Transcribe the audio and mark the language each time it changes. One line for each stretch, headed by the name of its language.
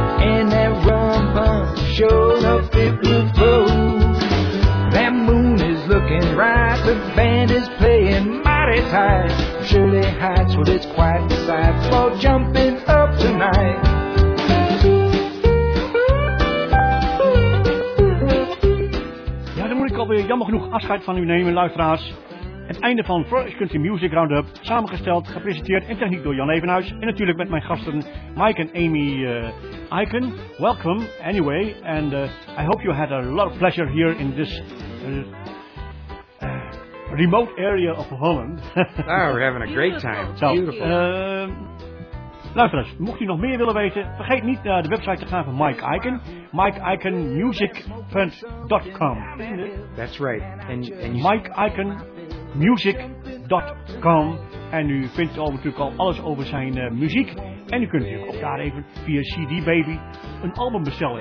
English: And that rum pump showed up it would blow. That moon is looking right. The band is playing mighty tight. Shirley Heights, well, it's quite the sight for jumping up tonight.
Dutch: Ja, dan moet ik alweer jammer genoeg afscheid van u nemen, luisteraars. Het einde van First Country Music Roundup, samengesteld, gepresenteerd en techniek door Jan Evenhuis. En natuurlijk met mijn gasten Mike en Amy Eiken.
English: Welcome, anyway. And I hope you had a lot of pleasure here in this remote area of Holland. Oh, we're having a great time. Beautiful.
Dutch: Luisteraars, mocht u nog meer willen weten, vergeet niet naar de website te gaan van Mike Eiken.
English: MikeEikenMusic.com. That's right. And Mike Eiken. Music.com.
Dutch: En u vindt natuurlijk al alles over zijn muziek. En u kunt natuurlijk ook daar even via CD Baby een album bestellen.